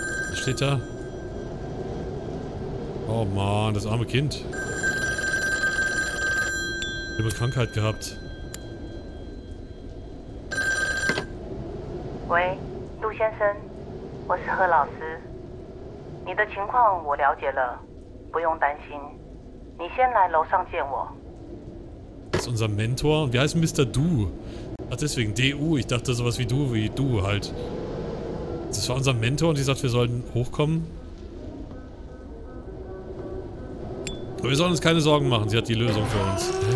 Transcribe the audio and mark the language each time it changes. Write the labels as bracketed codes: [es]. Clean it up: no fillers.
[de] Was steht da? Oh Mann, das arme Kind. Ich habe Krankheit gehabt. [zh] Hey, Lu 先生，我是贺老师。你的情况我了解了，不用担心。你先来楼上见我。 [de] Das ist unser Mentor. Und wie heißt Mr. Du? Ach, deswegen D-U. Ich dachte sowas wie du halt. Das war unser Mentor und die sagt, wir sollen hochkommen. Aber wir sollen uns keine Sorgen machen. Sie hat die Lösung für uns.